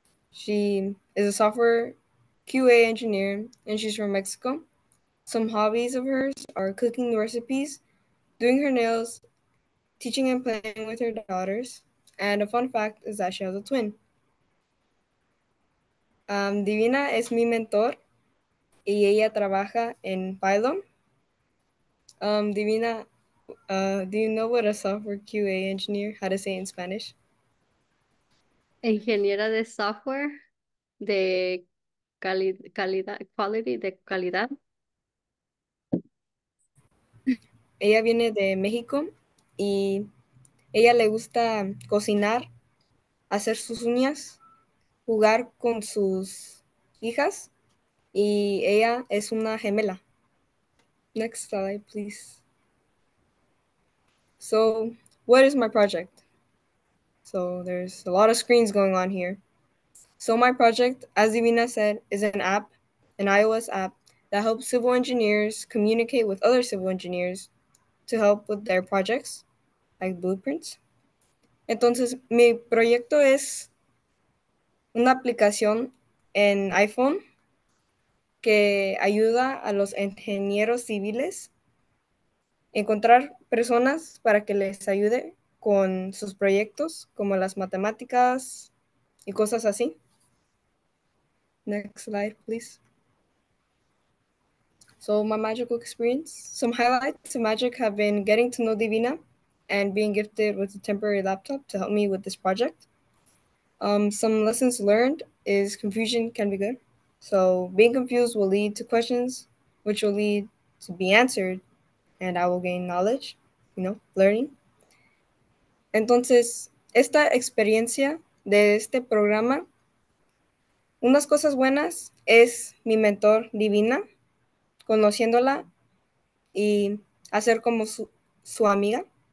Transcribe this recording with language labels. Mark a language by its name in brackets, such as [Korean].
[English] She is a software QA engineer, and she's from Mexico. Some hobbies of hers are cooking recipes, doing her nails, teaching and playing with her daughters, and a fun fact is that she has a twin. [Spanish] Divina es mi mentor y ella trabaja en Phylum. [English] Divina, do you know what a software QA engineer, how to say it in Spanish? [Spanish] Ingeniera de software de calidad. Ella viene de México y ella le gusta cocinar, hacer sus uñas, jugar con sus hijas y ella es una gemela. [English] Next slide, please. So, what is my project? So, there's a lot of screens going on here. So, my project, as Divina said, is an app, an iOS app that helps civil engineers communicate with other civil engineers to help with their projects, like blueprints. [Spanish] Entonces, mi proyecto es una aplicación en iPhone que ayuda a los ingenieros civiles a encontrar personas para que les ayude con sus proyectos, como las matemáticas y cosas así. [English] Next slide, please. So, my magical experience. Some highlights of magic have been getting to know Divina and being gifted with a temporary laptop to help me with this project. Some lessons learned is confusion can be good. So being confused will lead to questions, which will lead to be answered, and I will gain knowledge, learning. [Spanish] Entonces, esta experiencia de este programa, unas cosas buenas es mi mentor Divina, conociéndola y hacer como su su amiga.